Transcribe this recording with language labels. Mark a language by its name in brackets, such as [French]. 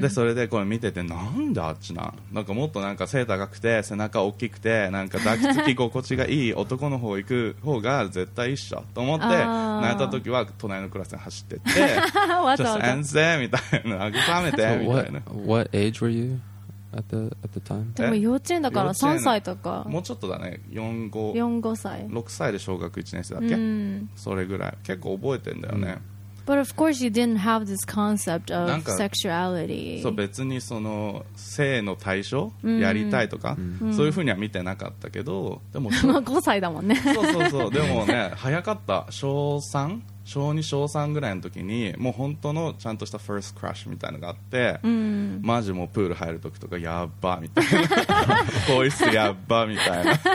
[Japanese] でそれでこれ見ててなんであっちななんかもっとなんか背高くて背中大きくてなんか抱きつき心地がいい男の方行く方が絶対一緒と思って泣いた時は隣のクラスに走ってってわざわざ先生みたいな慰めてみたいな、 [English] so、what age were youAt the time. [Japanese] でも幼稚園だから3歳とかもうちょっとだね 4、5歳 6歳で小学1年生だっけ、 mm. それぐらい結構覚えてんだよね、mm. [English] But of course you didn't have this concept of sexuality [Japanese] そう別にその性の対象やりたいとか、mm. そういうふうには見てなかったけどでも5歳だもんねそうでもね早かった小3小2小3ぐらいの時にもう本当のちゃんとしたファーストクラッシュみたいなのがあって、うん、マジもうプール入る時とかやっばみたいなボイスやっばみたいな